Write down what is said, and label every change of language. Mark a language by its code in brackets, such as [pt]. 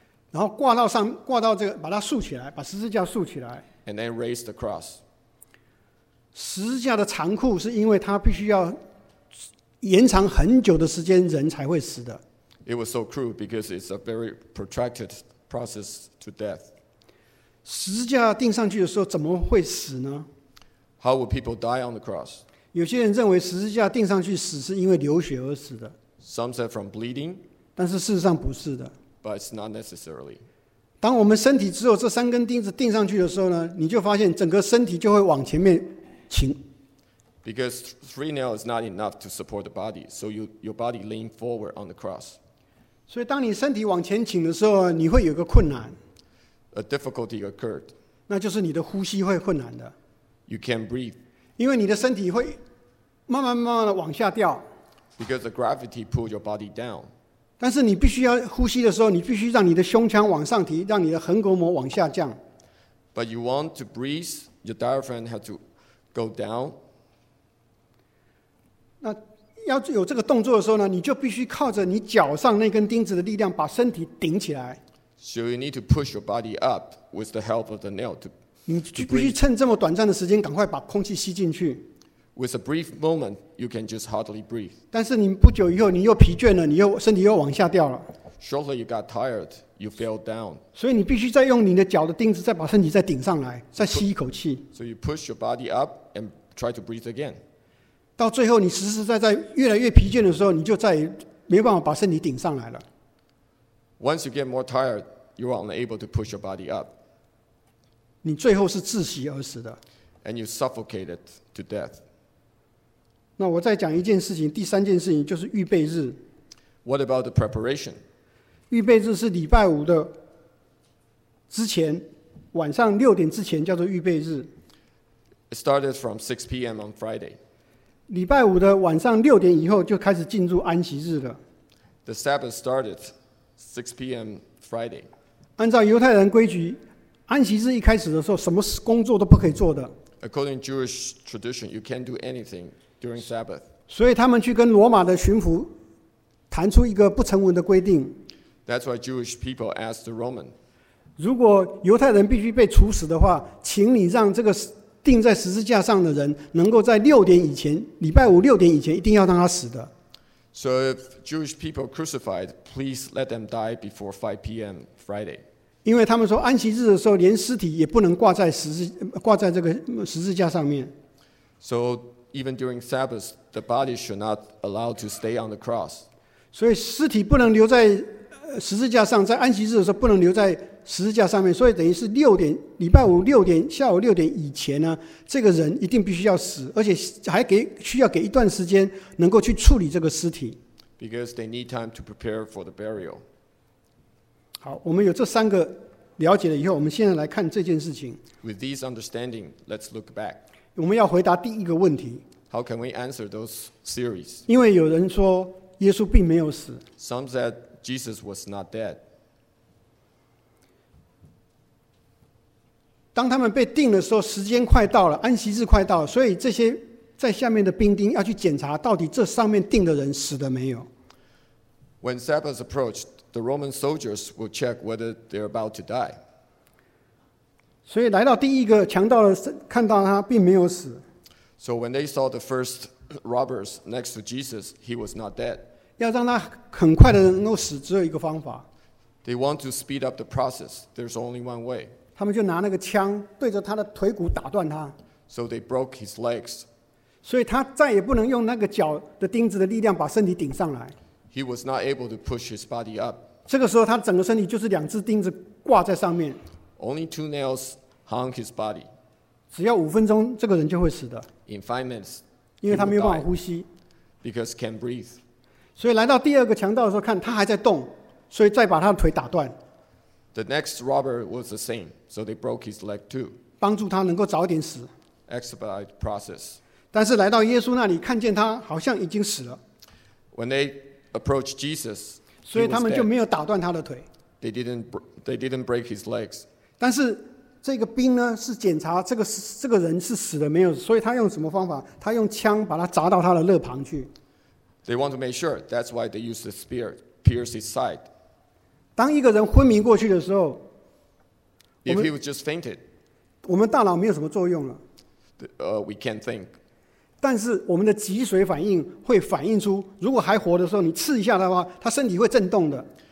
[zh] 然后挂到上，挂到这个，把它竖起来，把十字架竖起来。 [en] And then raise the cross. [zh] 十字架的残酷是因为它必须要延长很久的时间，人才会死的。 [en] It was so cruel because it's a very protracted process to death. [zh] 十字架钉上去的时候，怎么会死呢 [en] ？How would people die on the cross? [zh] 有些人认为十字架钉上去死是因为流血而死的。 [en] Some said from bleeding. [zh] 但是事实上不是的。 [en] But it's not necessarily. [zh] 当我们身体只有这三根钉子钉上去的时候呢，你就发现整个身体就会往前面倾。 [en] Because three nails is not enough to support the body, so your body lean forward on the cross. [zh] 所以当你身体往前倾的时候，你会有个困难。 [en] A difficulty occurred. [zh] 那就是你的呼吸会困难的。 [en] You can't breathe. [zh] 因为你的身体会慢慢的往下掉。 [en] Because the gravity pulled your body down. [zh] 但是你必须要呼吸的时候，你必须让你的胸腔往上提，让你的横膈膜往下降。 [en] But you want to breathe, your diaphragm had to go down. [zh] 那要有这个动作的时候呢，你就必须靠着你脚上那根钉子的力量把身体顶起来。 [en] So you need to push your body up with the help of the nail to. [zh] 你就必须趁这么短暂的时间，赶快把空气吸进去。 [en] With a brief moment, you can just hardly breathe. [zh] 但是你不久以后，你又疲倦了，你又身体又往下掉了。 [en] Shortly you got tired, you fell down. [zh] 所以你必须再用你的脚的钉子再把身体再顶上来，再吸一口气。 [en] So you push your body up and try to breathe again. [zh] 到最后，你实实在在越来越疲倦的时候，你就再也没办法把身体顶上来了。 [en] Once you get more tired, you are unable to push your body up. [zh] 你最后是窒息而死的。 [en] And you suffocated to death. [zh] 那我再讲一件事情，第三件事情就是预备日。 [en] What about the preparation? [zh] 预备日是礼拜五的之前，晚上六点之前叫做预备日。 [en] It started from 6 p.m. on Friday. [zh] 礼拜五的晚上六点以后就开始进入安息日了。 [en] The Sabbath started 6 p.m. Friday. [zh] 按照犹太人规矩，安息日一开始的时候，什么工作都不可以做的。 [en] According to Jewish tradition, you can't do anything during Sabbath. [zh] 所以他们去跟罗马的巡抚弹出一个不成文的规定。 [en] That's why Jewish people asked the Roman. [zh] 如果犹太人必须被处死的话，请你让这个钉在十字架上的人能够在六点以前，礼拜五六点以前一定要让他死的。 [en] So if Jewish people crucified, please let them die before 5 p.m. Friday. [zh] 因为他们说安息日的时候连尸体也不能挂在这个十字架上面。 [en] So even during Sabbath, the body should not allow to stay on the cross. [zh] 所以尸体不能留在十字架上，在安息日的时候不能留在十字架上面，所以等于是六点，礼拜五六点，下午六点以前呢，这个人一定必须要死，而且还给需要给一段时间能够去处理这个尸体。 [en] Because they need time to prepare for the burial. [zh] 好，我们有这三个了解了以后，我们现在来看这件事情。 [en] With these understanding, let's look back. [zh] 我们要回答第一个问题。 [en] How can we answer those theories? [zh] 因为有人说耶稣并没有死。 [en] Some said Jesus was not dead. [zh] 当他们被定的时候，时间快到了，安息日快到了，所以这些在下面的兵丁要去检查到底这上面定的人死了没有。 [en] When Sabbath approached, the Roman soldiers will check whether they're about to die. [zh] 所以来到第一个强盗的，看到他并没有死。 [en] So when they saw the first robbers next to Jesus, he was not dead. [zh] 要让他很快的能够死，只有一个方法。 [en] They want to speed up the process. There's only one way. [zh] 他们就拿那个枪对着他的腿骨打断他。 [en] So they broke his legs. [zh] 所以他再也不能用那个脚的钉子的力量把身体顶上来。 [en] He was not able to push his body up. [zh] 这个时候他整个身体就是两只钉子挂在上面。 [en] Only two nails hung his body. [zh] 只要五分钟，这个人就会死的。 [en] In 5 minutes, [zh] 因为他没有办法呼吸。 [en] Because he can't breathe. [zh] 所以来到第二个强盗的时候，看他还在动，所以再把他的腿打断。 [en] The next robber was the same, so they broke his leg too. [zh] 帮助他能够早点死。 [en] Expedite process. [zh] 但是来到耶稣那里，看见他好像已经死了。 [en] When they approached Jesus, he was dead. [zh] 所以他们就没有打断他的腿。 [en] They didn't break his legs. [zh] 但是这个兵呢，是检查这个人是死了没有，所以他用什么方法？他用枪把他砸到他的肋旁去。 [en] They want to make sure. That's why they use the spear, pierce his side. [zh] 当一个人昏迷过去的时候， [en] If he was just fainted, [zh] 我们大脑没有什么作用了。 [en] We can't think. [zh] 但是我们的脊髓反应会反映出，如果还活的时候，你刺一下的话，他身体会震动的。